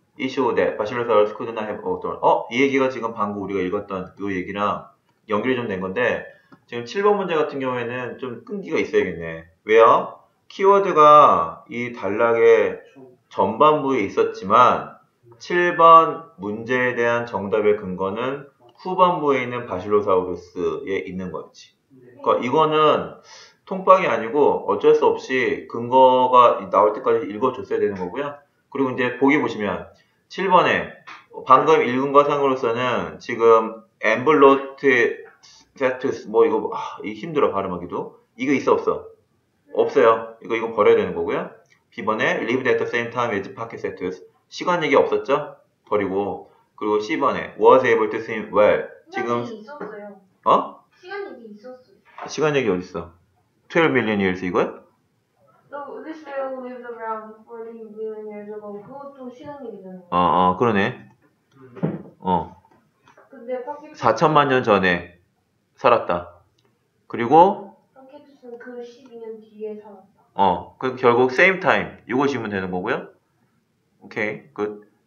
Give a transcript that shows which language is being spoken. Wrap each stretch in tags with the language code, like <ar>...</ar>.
<en>It showed that Basilosaurus could not have outdone.</en> <ko>어, 이 얘기가 지금 방금 우리가 읽었던 그 얘기랑 연결이 좀 된 건데, 지금 7번 문제 같은 경우에는 좀 끈기가 있어야겠네. 왜요? 키워드가 이 단락의 전반부에 있었지만, 7번 문제에 대한 정답의 근거는 후반부에 있는 바실로사우루스에 있는 거였지. 그러니까 이거는 통빵이 아니고 어쩔 수 없이 근거가 나올 때까지 읽어줬어야 되는 거고요. 그리고 이제 보기 보시면 7번에 방금 읽은 것상으로서는 지금 엠블로테테스 뭐 이거 아, 힘들어 발음하기도. 이거 있어 없어? 없어요. 이거 버려야 되는 거고요. B번에</ko> <en>Lived at the same time as Pachycetus.</en> <ko>시간 얘기 없었죠? 버리고. 그리고 C번에</ko> <en>Was able to swim well.</en> <ko>지금 있었어요. 어? 시간 얘기 있었어요. 시간 얘기 어딨어?</ko> <en>12 million years</en> <ko>이거요?</ko> <en>No, this whale lived around 40 million years ago.</en> <ko>그것도 시간 얘기잖아요. 아, 아 그러네. 근데 4천만 년 전에 살았다. 그리고 그 12년 뒤에 살았다. 어, 그 결국 same time 이거 지으면 되는 거고요. 오케이, 굿.</ko>